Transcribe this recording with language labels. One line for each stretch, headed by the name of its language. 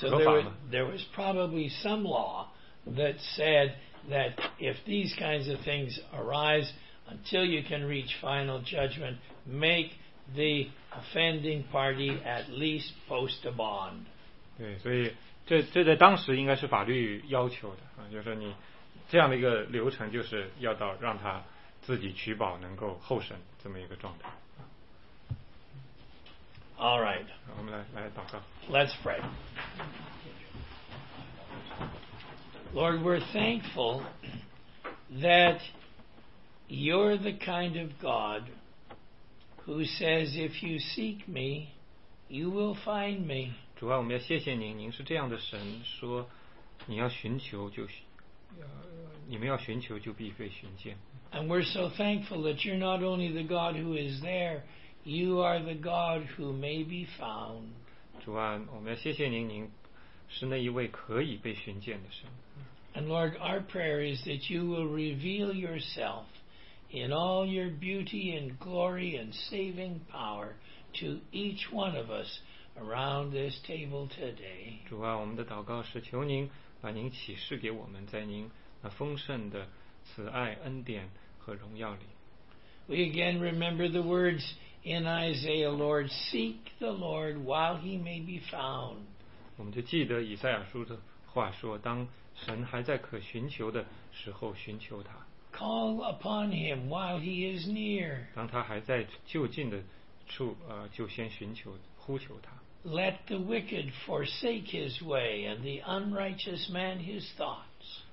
English: So there was probably some law that said that if these kinds of things arise until you can reach final judgment, make the offending party at least post a bond.
Chinese: 对，所以。这在当时应该是法律要求的、啊、就是说你这样的一个流程就是要到让他自己取保能够候审这么一个状态。
English: All right.
Chinese: 我们来祷告。
English: Let's pray. Lord, we're thankful that you're the kind of God who says, if you seek me, you will find me.
Chinese: 主啊，我们要谢谢您，您是这样的神，说你要寻求就你们要寻求就必被寻见。
English: And we're so thankful that you're not only the God who is there, you are the God who may be found.
Chinese: 主啊，我们要谢谢您，您是那一位可以被寻见的神。
English: And Lord, our prayer is that you will reveal yourself in all your beauty and glory and saving power to each one of us. Around this table today.
Chinese: 主啊，我们的祷告是求您把您启示给我们，在您那丰盛的慈爱、恩典和荣耀里。
English: We again remember the words in Isaiah, Lord, seek the Lord while he may be found.
Chinese: 我们就记得以赛亚书的话说，当神还在可寻求的时候寻求他。
English: Call upon him while he is near.
Chinese: 当他还在就近的处，就先寻求呼求他。
English: Let the wicked forsake his way and the unrighteous man his thoughts.